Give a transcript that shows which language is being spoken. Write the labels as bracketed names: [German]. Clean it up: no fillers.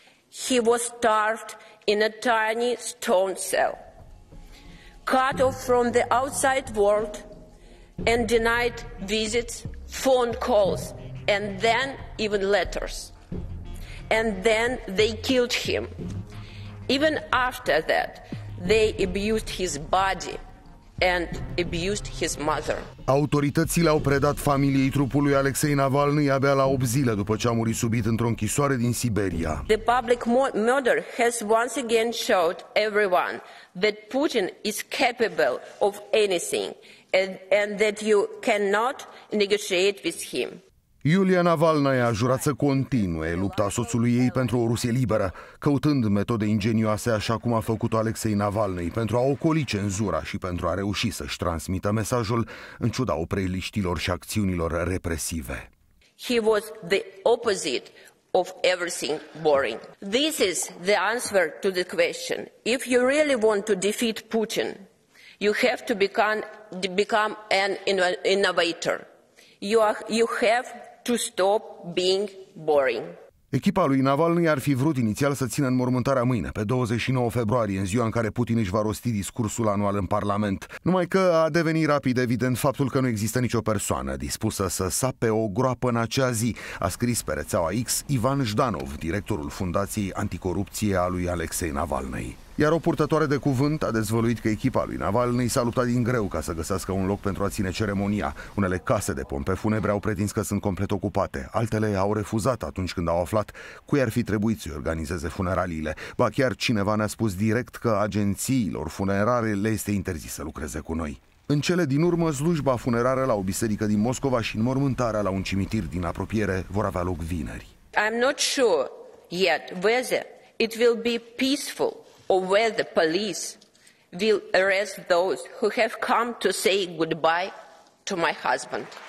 [English] He was starved in a tiny stone cell, cut off from the outside world and denied visits, phone calls, and then even letters. And then they killed him. Even after that, they abused his body and abused his mother. [Romanian] Autoritățile au predat familiei trupului Alexei Navalny abia la 8 zile după ce a murit subit într-o închisoare din Siberia. [English] The public murder has once again showed everyone that Putin is capable of anything and that you cannot negotiate with him. [Romanian] Yulia Navalnaya a jurat să continue lupta soțului ei pentru o Rusie liberă, căutând metode ingenioase așa cum a făcut-o Alexei Navalnăi pentru a ocoli cenzura și pentru a reuși să-și transmită mesajul în ciuda opreliștilor și acțiunilor represive. [English] He was the opposite of everything boring. This is the answer to the question. If you really want to defeat Putin, you have to become an innovator. You have to stop being boring. [Romanian] Echipa lui Navalny ar fi vrut inițial să țină înmormântarea mâine, pe 29 februarie, în ziua în care Putin își va rosti discursul anual în Parlament. Numai că a devenit rapid evident faptul că nu există nicio persoană dispusă să sape o groapă în acea zi, a scris pe rețeaua X Ivan Jdanov, directorul Fundației Anticorupție a lui Alexei Navalny. Iar o purtătoare de cuvânt a dezvăluit că echipa lui Navalny s-a luptat din greu ca să găsească un loc pentru a ține ceremonia. Unele case de pompe funebre au pretins că sunt complet ocupate, altele au refuzat atunci când au aflat cui ar fi trebuit să organizeze funeraliile. Ba chiar cineva ne-a spus direct că agențiilor funerare le este interzis să lucreze cu noi. În cele din urmă, slujba funerară la o biserică din Moscova și înmormântarea la un cimitir din apropiere vor avea loc vineri. [English] I'm not sure yet whether it will be peaceful or whether police will arrest those who have come to say goodbye to my husband.